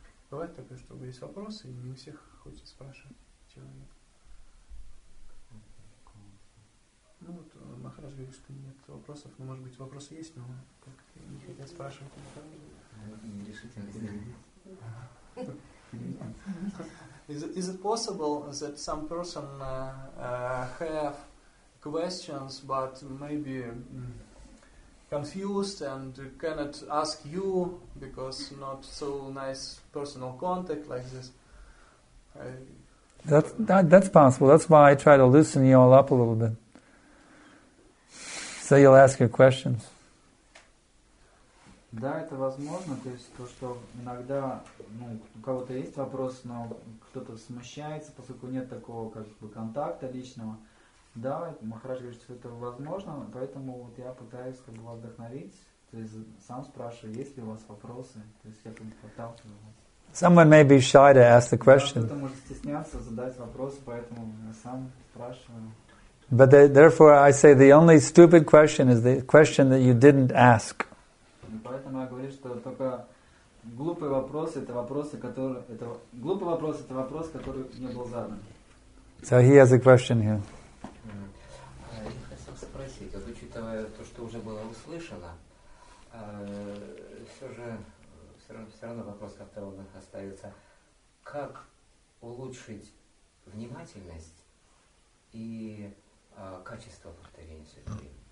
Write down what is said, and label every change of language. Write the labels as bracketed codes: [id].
[ru] Бывает такое, что есть вопросы, и не у всех хочет спрашивать человек. Ну вот Махарадж говорит, что нет вопросов. Ну, может быть, вопросы есть, но как не хотят спрашивать. Нерешительно. [en] Is it possible that some person have questions, but maybe confused and cannot ask you because not so nice personal contact like this? That's possible. That's why I try to loosen you all up a little bit. So you'll ask your questions. [ru] Да, это возможно, то есть то, что иногда, ну, у кого-то есть вопрос, но кто-то смущается, поскольку нет такого как бы контакта личного. Да, Махарадж говорит, что это возможно, поэтому вот я пытаюсь как бы вас вдохновить, то есть сам спрашиваю, есть ли у вас вопросы, то есть я как бы подталкиваю вас. [en] Someone may be shy to ask the question. [ru] Кто-то может стесняться задать вопрос, поэтому я сам спрашиваю. [en] But therefore, I say the only stupid question is the question that you didn't ask. [ru] Поэтому я говорю, что только глупые вопросы — это вопросы, которые это глупый вопрос — это вопрос, который не был задан. [en] So he has a question here. [ru] Я хотел спросить, вот учитывая то, что уже было услышано, все равно вопрос, который у нас остается, как улучшить внимательность и качество повторения святой.